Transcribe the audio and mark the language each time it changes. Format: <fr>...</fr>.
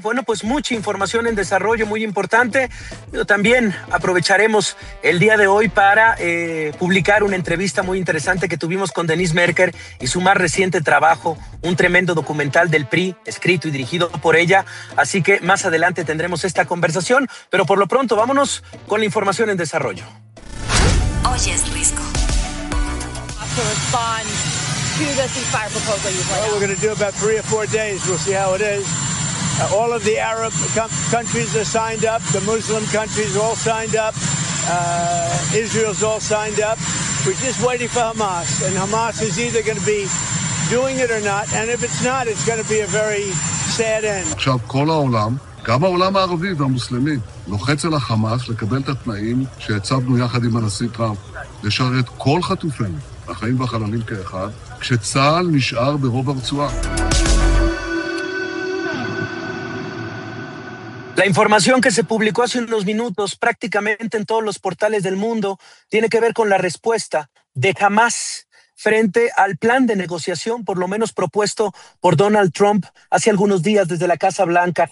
<es>Bueno, pues mucha información en desarrollo, muy importante. Pero también aprovecharemos el día de hoy para publicar una entrevista muy interesante que tuvimos con Denise Merker y su más reciente trabajo, un tremendo documental del PRI, escrito y dirigido por ella. Así que más adelante tendremos esta conversación, pero por lo pronto vámonos con la información en desarrollo. Hoy es Risco.</es> <en>Well, we're going to do about 3 or 4 days. We'll see how it is. All of the Arab countries are signed up. The Muslim countries all signed up. Israel's all signed up. We're just waiting for Hamas. And Hamas is either going to be doing it or not. And if it's not, it's going to be a very sad end.</en> <he>עכשיו כל העולם, גם העולם הערבי והמוסלמי, לוחץ על החמאס לקבל את התנאים שהצבנו יחד עם הנשיא טראמפ, לשרת כל חטופים, החיים והחללים כאחד, כשצהל נשאר ברוב הרצועה.</he> <es>La información que se publicó hace unos minutos prácticamente en todos los portales del mundo tiene que ver con la respuesta de Hamas frente al plan de negociación, por lo menos propuesto por Donald Trump hace algunos días desde la Casa Blanca.</es>